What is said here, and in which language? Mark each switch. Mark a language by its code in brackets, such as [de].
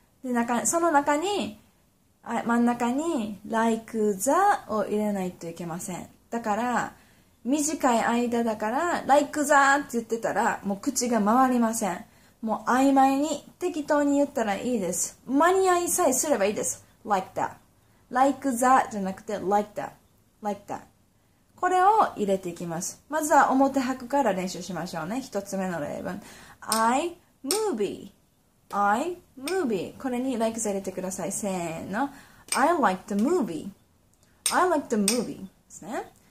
[ja] で、中、その中に、真ん中に like the を入れないといけません。だから、短い間だから、like the って言ってたら、もう口が回りません。もう曖昧に適当に言ったらいいです。間に合いさえすればいいです。 [en] like that。 [ja] like the じゃなくて like that。 [en] like that。 [ja] これを入れていきます。まずは表拍から練習しましょうね。一つ目の例文。 [en] I movie。 I movie。 [ja] これに like the 入れてください。 [en] せーの。I like the movie。 I like the movie。 ですね。